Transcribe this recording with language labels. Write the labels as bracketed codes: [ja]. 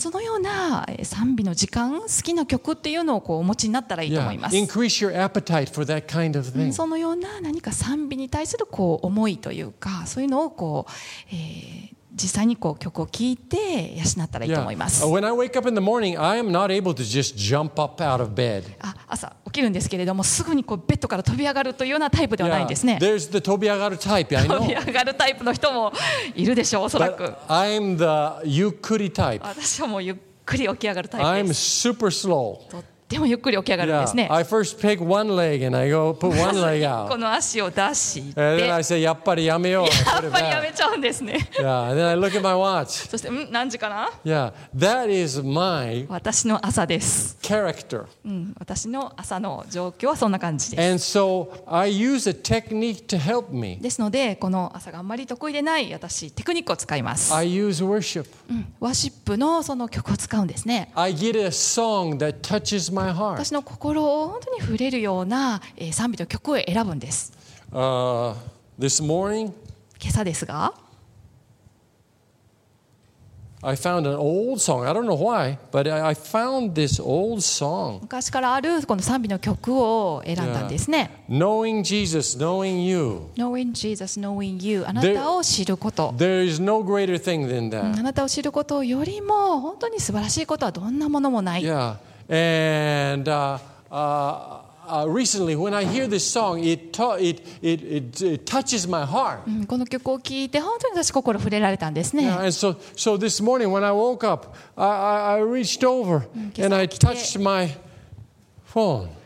[ja] そのような賛美の時間、好きな曲っていうのをこうお持ちになったらいいと思います。 [en] Yeah. Increase your appetite for that kind of thing. [ja] そのような何か賛美に対するこう思いというか、そういうのをこう、実際にこう曲を聴いて養ったらいいと思います。 [en] Yeah. When I wake up in the morning, I am not able to just jump up out of bed. [ja] 朝起きるんですけれども、すぐにこうベッドから飛び上がるというようなタイプではないんですね。 [en] Yeah. There's the [ja] 飛び上がるタイプ、 [en] I know. [ja] 飛び上がるタイプの人もいるでしょう、おそらく。 [en] But I'm the [ja] ゆっくりタイプ。私はもうゆっくり起き上がるタイプです。 [en] I'm super slow. [ja] でもゆっくり起き上がるんですね。 [en] Yeah, I first pick one leg and I go put one leg out. [ja] この足を出して [en] 。 And then I say, [ja] やっぱりやめよう。やっぱりやめちゃうんですね。 [en] Yeah, and then I look at my watch. [ja] そして、何時かな？ [en] Yeah, that is my [ja] 私の朝です。 [en] Character. [ja] 私の朝の状況はそんな感じです。 [en] And so I use a technique to help me. [ja] ですので、この朝があんまり得意でない私、テクニックを使います。 [en] I use worship. [ja] ワシップのその曲を使うんですね。 [en] I get a song that touches my heart. [ja] 私の心を本当に触れるような賛美と曲を選ぶんです。 [en] This morning, [ja] 今朝ですが、 [en] I found an old song. I don't know why, but I found this old song. [ja] 昔からあるこの賛美の曲を選んだんですね。 [en] Yeah. Knowing Jesus, knowing you. Knowing Jesus, knowing you. [ja] あなたを知ること。 [en] There is no greater thing than that. [ja] あなたを知ることよりも本当に素晴らしいことはどんなものもない。 [en] Yeah. And recently, when I hear this song, it touches my heart. [ja] この曲を聞いて本当に私心触れられたんですね。 [en] Yeah, and so this morning when I woke up, I reached over and I touched my phone.